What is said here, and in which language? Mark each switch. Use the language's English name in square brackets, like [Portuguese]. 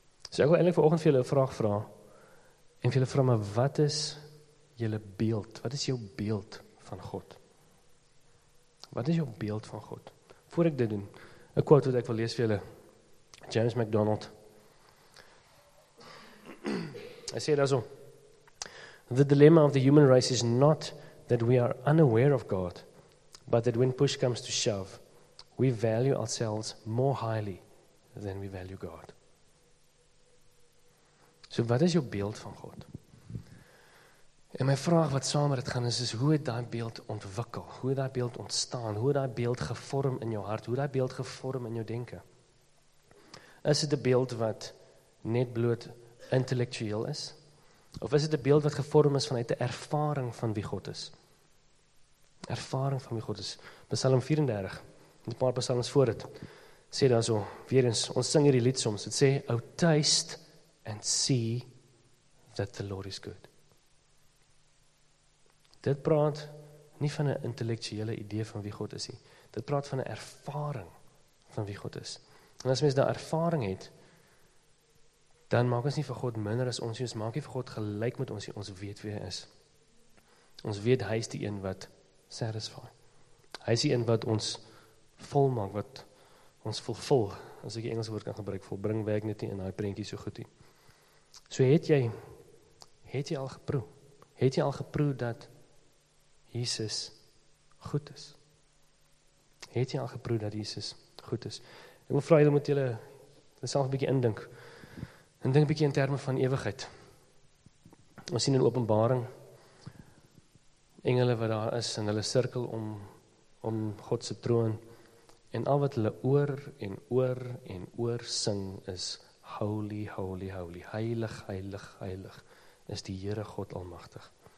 [Afrikaans] So ek wil eindelijk vanoggend vir julle 'n vraag vra, en vir julle vra, maar wat is julle beeld? Wat is jou beeld van God? Wat is jou beeld van God? Voor ek dit doen, 'n quote wat ek wil lees vir julle, James MacDonald, [English] I say it also. The dilemma of the human race is not that we are unaware of God, but that when push comes to shove, we value ourselves more highly than we value God. [Afrikaans] So wat is jou beeld van God? En my vraag wat saam met dit gaan is, hoe het daai beeld ontwikkel? Hoe het daai beeld ontstaan? Hoe het daai beeld gevorm in jou hart? Hoe het daai beeld gevorm in jou denke? Is dit 'n beeld wat net bloot intellektueel is? Of is dit 'n beeld wat gevorm is vanuit 'n ervaring van wie God is? Ervaring van wie God is. Psalm 34, die paar psalms voor dit, sê dan so, weer eens, ons sing hierdie lied soms, het sê, [English] O taste and see that the Lord is good. [Afrikaans] Dit praat nie van 'n intellektuele idee van wie God is nie. Dit praat van 'n ervaring van wie God is. En as mens daai ervaring het, dan maak ons nie vir God minder as ons nie, ons maak nie vir God gelyk met ons nie, ons weet wie hy is. Ons weet hy is die een wat satisfy. Hy is die een wat ons volmaak, wat ons vervul, as ek die Engelse woord kan gebruik, volbring werk net nie in die prentjie so goed nie. So het jy al geproe? Het jy al geproe dat Jesus goed is? Het jy al geproe dat Jesus goed is? Ek wil vraag jy, moet jylle self 'n bietjie indink. En dink 'n bietjie in terme van ewigheid. Ons sien in Openbaring engele wat daar is en hulle sirkel om God se troon en al wat hulle oor en oor en oor sing is [English] holy, holy, holy, [Afrikaans] heilig, heilig, heilig is die Here God almagtig.